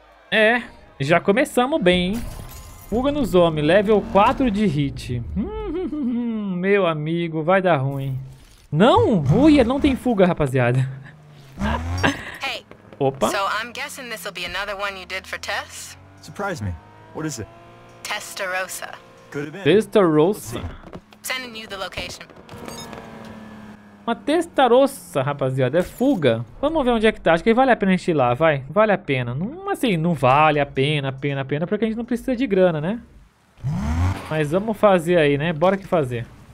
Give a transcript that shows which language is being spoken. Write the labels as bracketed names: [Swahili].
[Portuguese] É, já começamos bem, hein? Fuga nos homens, level 4 de hit. Meu amigo, vai dar ruim. Não? Ui, não tem fuga, rapaziada. Opa. [English] So I'm guessing this will be another one you did for Tess. Surprise me. What is it? Testarossa. Could have been. Testarossa. Sending you the location. [Portuguese] Uma Testarossa, rapaziada, é fuga. Vamos ver onde é que tá. Acho que vale a pena a gente ir lá, vai. Vale a pena. Não, assim, não vale a pena, pena, porque a gente não precisa de grana, né? Mas vamos fazer aí, né? Bora que fazer.